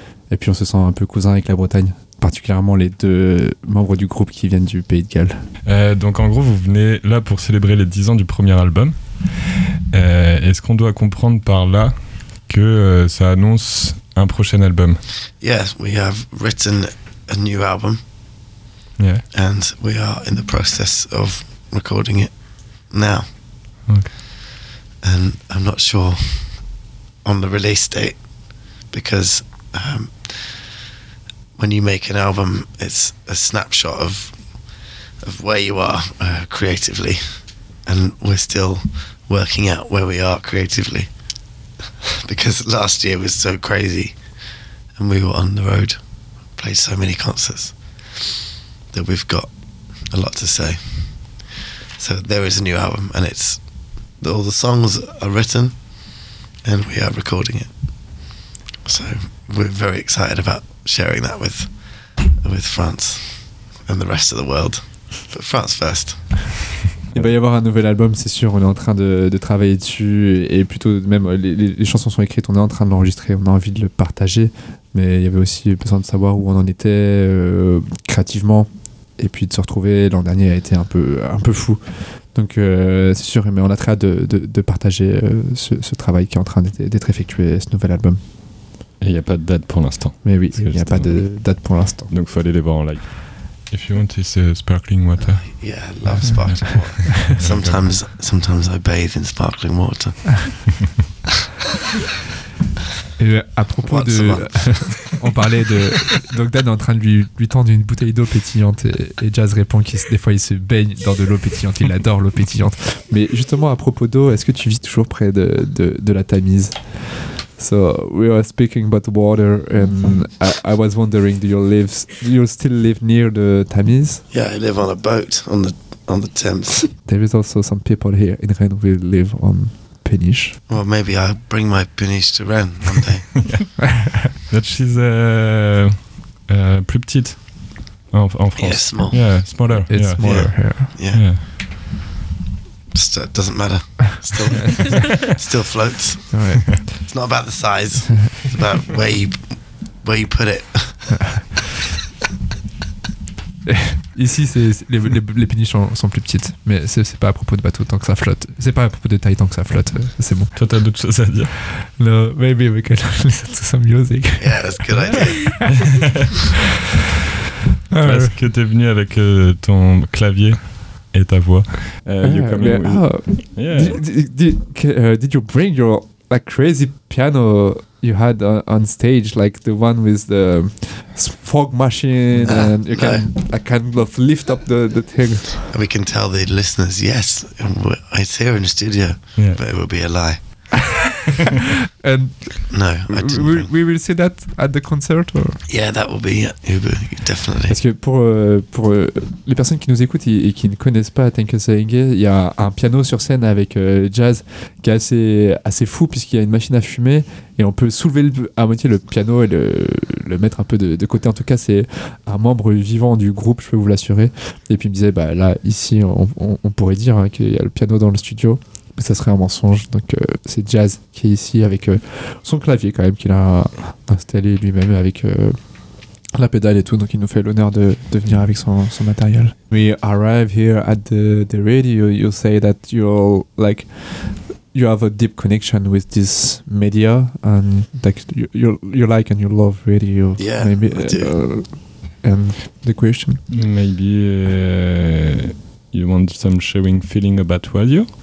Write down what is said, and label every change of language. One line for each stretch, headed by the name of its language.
French: Et puis on se sent un peu cousins avec la Bretagne, particulièrement les deux membres du groupe qui viennent du Pays de Galles. Donc en gros, vous venez là pour célébrer les 10 ans du premier album. Est-ce qu'on doit comprendre par là que ça annonce un prochain album?
English: Yes, we have written a new album. Yeah. And we are in the process of recording it now. Okay. And I'm not sure on the release date, because when you make an album, it's a snapshot of where you are creatively, and we're still working out where we are creatively. Because last year was so crazy, and we were on the road, played so many concerts, that we've got a lot to say. So there is a new album, and it's all the songs are written, and we are recording it. So we're very excited about sharing that with France. and the rest of the world, but France first.
French: Il va y avoir un nouvel album, c'est sûr, on est en train de travailler dessus, et plutôt même les chansons sont écrites, on est en train de l'enregistrer, on a envie de le partager, mais il y avait aussi besoin de savoir où on en était créativement, et puis de se retrouver. L'an dernier a été un peu fou, donc c'est sûr, mais on a très hâte de partager ce travail qui est en train d'être effectué, ce nouvel album. Et il n'y a pas de date pour l'instant. Mais oui, il n'y a pas de date pour l'instant. Donc il faut aller les voir en live.
English: If you want this sparkling water. Yeah, I love sparkling water. Sometimes I bathe in sparkling water.
French: Et à propos de... On parlait de... Donc Dan est en train de lui tendre une bouteille d'eau pétillante et Jazz répond que des fois il se baigne dans de l'eau pétillante, il adore l'eau pétillante. Mais justement à propos d'eau, est-ce que tu vis toujours près de la Tamise?
English: So we were speaking about water, and I was wondering, do you still live near the Tamise? Yeah, I live on a boat on the Thames. There is also some people here in Rennes who live on Péniche. Well, maybe I'll bring my Péniche to Rennes one day. But she's
French: plus petite en France.
English: Yeah, small. Yeah, smaller. It's yeah. smaller. Yeah. Yeah. yeah. Doesn't matter. Still, still floats. All right. It's not about the size. It's about where you put it.
French: Ici, les péniches sont plus petites, mais c'est pas à propos de bateau tant que ça flotte. C'est pas à propos de taille tant que ça flotte. C'est bon. Toi, t'as d'autres choses à dire?
English: No, maybe we can listen to some music. Yeah, that's a good idea.
French: Est-ce que t'es venu avec ton clavier? Et ta voix.
English: Did you bring your like crazy piano you had on stage, like the one with the fog machine, and you can kind of lift up the thing? We can tell the listeners, yes, it's here in the studio, yeah. But it will be a lie. And no, I didn't. We will see that at the concert, or yeah, that will be Uber, definitely.
French: Parce que pour les personnes qui nous écoutent et qui ne connaissent pas Tenke Seenge, il y a un piano sur scène avec Jazz qui est assez fou, puisqu'il y a une machine à fumer et on peut soulever à moitié le piano et le mettre un peu de côté. En tout cas, c'est un membre vivant du groupe, je peux vous l'assurer. Et puis il me disait, bah là, ici, on pourrait dire hein, qu'il y a le piano dans le studio. Ça serait un mensonge, donc c'est Jazz qui est ici avec son clavier quand même qu'il a installé lui-même avec la pédale et tout, donc il nous fait l'honneur de venir avec son matériel.
English: We arrive here at the radio, you say that you have a deep connection with this media and like you like and you love radio. Yeah, maybe, I do. And the question? Maybe you want some sharing feeling about radio?